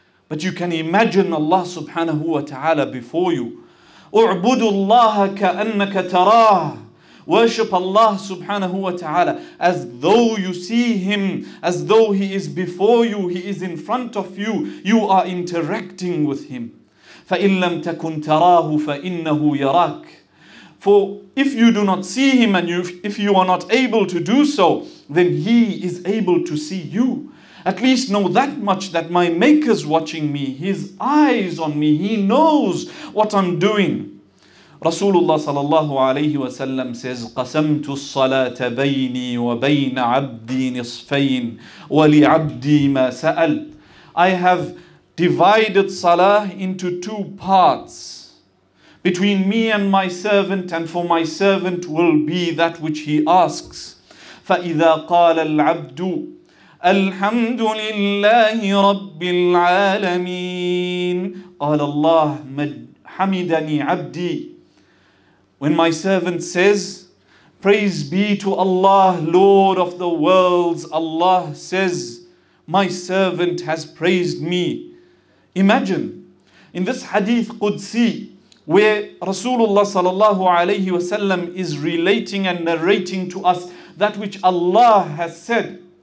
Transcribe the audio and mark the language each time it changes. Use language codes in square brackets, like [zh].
[en] But you can imagine Allah subhanahu wa ta'ala before you. [ar] اعبدوا الله كأنك تراه. [en] Worship Allah subhanahu wa ta'ala as though you see Him, as though He is before you, He is in front of you, you are interacting with Him. [ar] فإن لم تكن تراه فإنه يراك. [en] For if you do not see Him and if you are not able to do so, then He is able to see you. At least know that much, that my Maker's watching me, His eyes on me, He knows what I'm doing. Rasulullah sallallahu alayhi wa sallam says, [ar] قَسَمْتُ الصَّلَاةَ بَيْنِي وَبَيْنَ عَبْدِي نِصْفَيْنِ وَلِعَبْدِي مَا سَأَلْتُ. [en] I have divided salah into 2 parts. Between me and my servant, and for my servant will be that which he asks. [ar] فَإِذَا قَالَ الْعَبْدُ الحمد لله رب العالمين قال الله حمدني عبدي. [en] When my servant says, "Praise be to Allah, Lord of the worlds," Allah says, "My servant has praised me." Imagine in this hadith Qudsi, where Rasulullah sallallahu alayhi wa sallam is relating and narrating to us that which Allah has said.